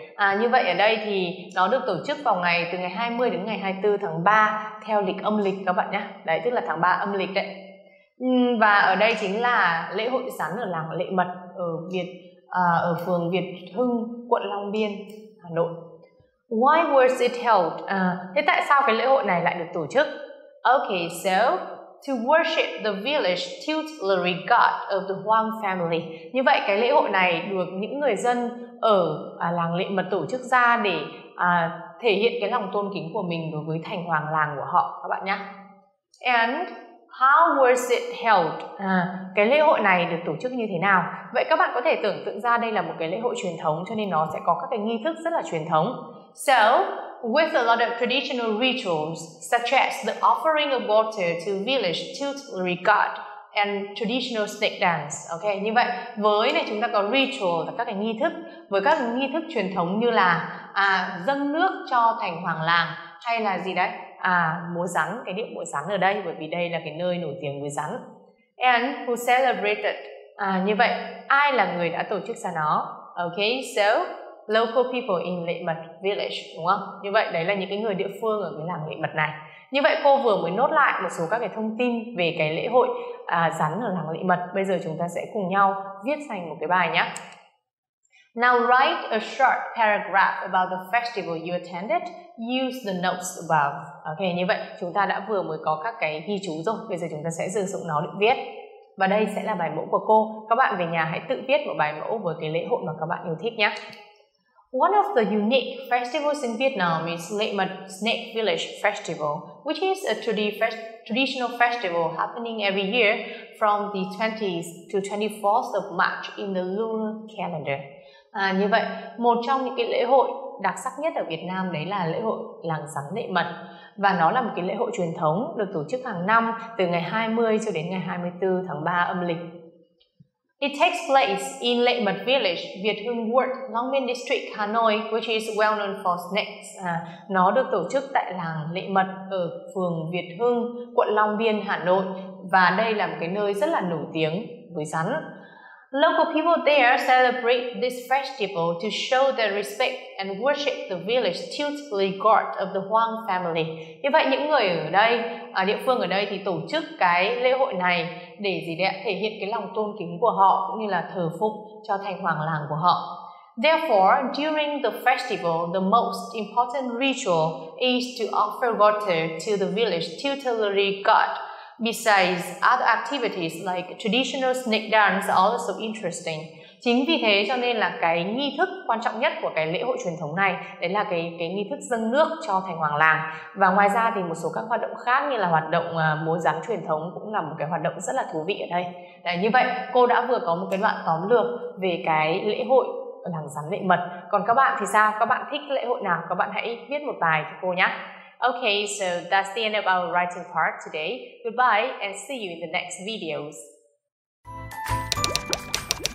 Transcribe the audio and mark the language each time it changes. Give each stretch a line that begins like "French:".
Vietnamese: À, như vậy ở đây thì nó được tổ chức vào ngày từ ngày 20 đến ngày 24 tháng 3 theo lịch âm lịch các bạn nhé. Đấy, tức là tháng 3 âm lịch đấy. Và ở đây chính là lễ hội sắn ở làng Lệ Mật ở phường Việt Hưng, quận Long Biên, Hà Nội.
English: Why was it held?
Vietnamese: Thế tại sao cái lễ hội này lại được tổ chức?
English: Okay, so to worship the village tutelary god of the Huang family.
Vietnamese: Như vậy cái lễ hội này được những người dân ở làng Lệ Mật tổ chức ra để thể hiện cái lòng tôn kính của mình đối với thành hoàng làng của họ các bạn nhé.
English: And how was it held?
Vietnamese: Cái lễ hội này được tổ chức như thế nào? Vậy các bạn có thể tưởng tượng ra đây là một cái lễ hội truyền thống, cho nên nó sẽ có các cái nghi thức rất là truyền thống.
English: So, with a lot of traditional rituals, such as the offering of water to village tutelary god and traditional snake dance.
Vietnamese: Okay, như vậy, với này chúng ta có ritual và các cái nghi thức. Với các nghi thức truyền thống như là dâng nước cho thành hoàng làng hay là gì đấy? Múa rắn, cái điệu múa rắn ở đây, bởi vì đây là cái nơi nổi tiếng với rắn.
English: And who celebrated?
Vietnamese: Như vậy, ai là người đã tổ chức ra nó?
English: Okay, so local people in Lệ Mật village,
Vietnamese: đúng không? Như vậy, đấy là những cái người địa phương ở cái làng Lệ Mật này. Như vậy, cô vừa mới nốt lại một số các cái thông tin về cái lễ hội rắn ở làng Lệ Mật. Bây giờ chúng ta sẽ cùng nhau viết thành một cái bài nhé.
English: Now write a short paragraph about the festival you attended. Use the notes above.
Vietnamese: Ok, như vậy, chúng ta đã vừa mới có các cái ghi chú rồi. Bây giờ chúng ta sẽ sử dụng nó để viết. Và đây sẽ là bài mẫu của cô. Các bạn về nhà hãy tự viết một bài mẫu với cái lễ hội mà các bạn yêu thích nhé.
English: One of the unique festivals in Vietnam is Lệ Mật Snake Village Festival, which is a traditional festival happening every year from the 20th to 24th of March in the lunar calendar.
Vietnamese: Như vậy, một trong những cái lễ hội đặc sắc nhất ở Việt Nam đấy là lễ hội làng rắn Lệ Mật. Và nó là một cái lễ hội truyền thống được tổ chức hàng năm từ ngày 20 cho đến ngày 24 tháng 3 âm lịch.
English: It takes place in Lệ Mật Village, Việt Hưng Ward, Long Biên District, Hà Nội, which is well known for snakes.
Vietnamese: Nó được tổ chức tại làng Lệ Mật ở phường Việt Hưng, quận Long Biên, Hà Nội. Và đây là một cái nơi rất là nổi tiếng với rắn.
English: Local people there celebrate this festival to show their respect and worship the village tutelary god of the Huang family.
Vietnamese: Như vậy, những người ở đây, ở địa phương ở đây thì tổ chức cái lễ hội này để gì đấy, thể hiện cái lòng tôn kính của họ cũng như là thờ phụng cho thành hoàng làng của họ.
English: Therefore, during the festival, the most important ritual is to offer water to the village tutelary god. Besides, other activities like traditional snake dance are also interesting.
Vietnamese: Chính vì thế cho nên là cái nghi thức quan trọng nhất của cái lễ hội truyền thống này đấy là cái nghi thức dâng nước cho thành hoàng làng. Và ngoài ra thì một số các hoạt động khác như là hoạt động múa rắn truyền thống cũng là một cái hoạt động rất là thú vị ở đây. Đấy, như vậy, cô đã vừa có một cái đoạn tóm lược về cái lễ hội làng rắn Lệ Mật. Còn các bạn thì sao? Các bạn thích lễ hội nào? Các bạn hãy viết một bài cho cô nhé.
English: Okay, so that's the end of our writing part today. Goodbye and see you in the next videos.